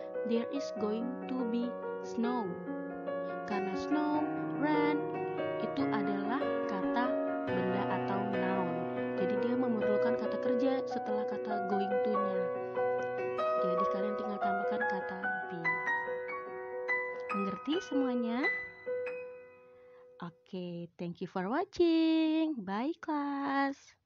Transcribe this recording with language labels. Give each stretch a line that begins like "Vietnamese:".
English: There is going to be snow.
Indonesian: Karena snow, rain itu adalah kata benda atau noun. Jadi dia memerlukan kata kerja setelah kata going to-nya. Jadi kalian tinggal tambahkan kata be. Mengerti semuanya?
English: Oke, thank you for watching. Bye, class.